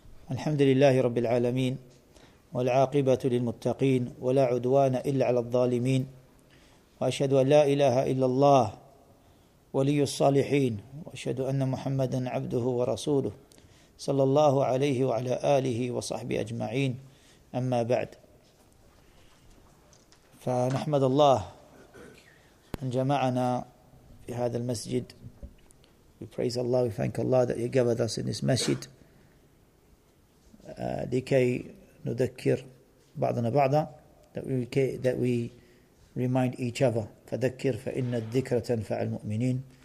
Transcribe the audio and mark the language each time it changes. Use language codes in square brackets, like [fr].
[ar] الحمد لله رب العالمين، والعاقبة للمتقين، ولا عدوان إلا على الظالمين، وأشهد أن لا إله إلا الله ولي الصالحين، وأشهد أن محمدًا عبده ورسوله صلى الله عليه وعلى آله وصحبه أجمعين. أما بعد، فنحمد الله أن جمعنا في هذا المسجد. [en] We praise Allah, we thank Allah that He gathered us in this masjid [ar] لكي نذكر بعضنا بعضا. [en] That we remind each other. [ar] فذكر فإن الذكر تنفع المؤمنين.